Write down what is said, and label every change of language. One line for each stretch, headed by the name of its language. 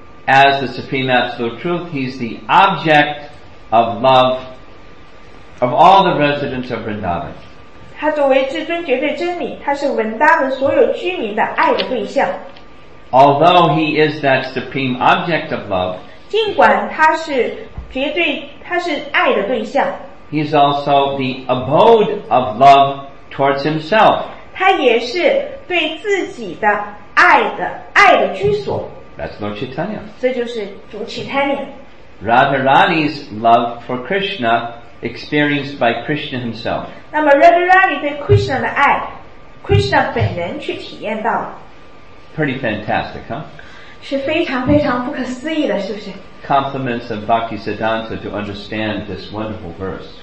English: As the supreme absolute truth, he's the object of love of all the residents of Vrindavan.
Chinese: 他作为至尊绝对真理他是文达文所有居民的爱的对象
English: although he is that supreme object of love
Chinese: 尽管他是绝对他是爱的对象
English: he is also the abode of love towards himself
Chinese: 他也是对自己的爱的居所
English: that's Lord Chaitanya
Chinese: 这就是主 Chaitanya
English: Radharani's love for KrishnaExperienced by Krishna himself.
Chinese: 那么 Radharani 对 Krishna 的爱 ，Krishna 本人去体验到。
English: Pretty fantastic, huh?
Chinese: 是非常非常不可思议的，是不是？
English: Compliments of Bhakti Siddhanta to understand this wonderful verse.